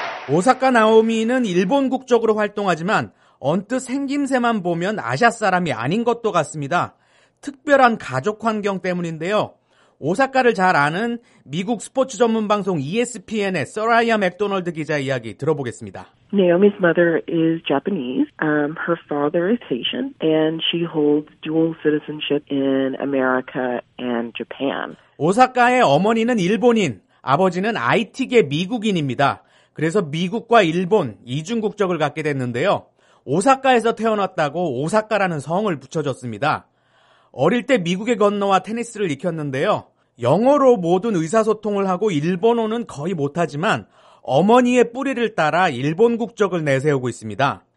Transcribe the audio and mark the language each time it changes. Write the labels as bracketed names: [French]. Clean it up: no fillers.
[Korean] 오사카 나오미는 일본 국적으로 활동하지만 언뜻 생김새만 보면 아시아 사람이 아닌 것도 같습니다. 특별한 가족 환경 때문인데요. 오사카를 잘 아는 미국 스포츠 전문 방송 ESPN의 서라이아 맥도널드 기자 이야기 들어보겠습니다. [English] Naomi's mother is Japanese. Her father is Haitian, and she holds dual citizenship in America and Japan. [Korean] 오사카의 어머니는 일본인, 아버지는 IT계 미국인입니다. 그래서 미국과 일본 이중 국적을 갖게 됐는데요. 오사카에서 태어났다고 오사카라는 성을 붙여줬습니다. 어릴 때 미국에 건너와 테니스를 익혔는데요. 영어로 모든 의사소통을 하고 일본어는 거의 못하지만 어머니의 뿌리를 따라 일본 국적을 내세우고 있습니다.